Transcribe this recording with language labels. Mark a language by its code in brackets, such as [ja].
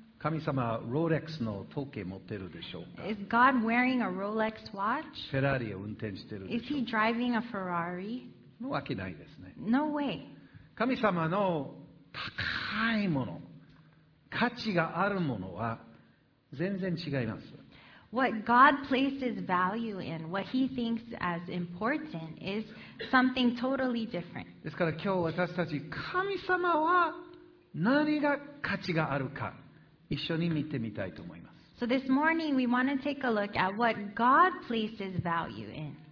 [ja] 神様はロレックスの時計持ってるでしょうか。 [en] Is God wearing a Rolex watch? [ja] フェラーリを運転してるでしょうか。 [en] Is he driving a Ferrari? [ja] もうわけないですね。 [en] No way. [ja] 神様の高いもの、価値があるものは全然違います。 [en] What God places value in, what He thinks as important, is something totally different. [ja] ですから今日私たち、神様は何が価値があるか、一緒に見てみたいと思います。 [en] So this morning we want to take a look at what God places value in.、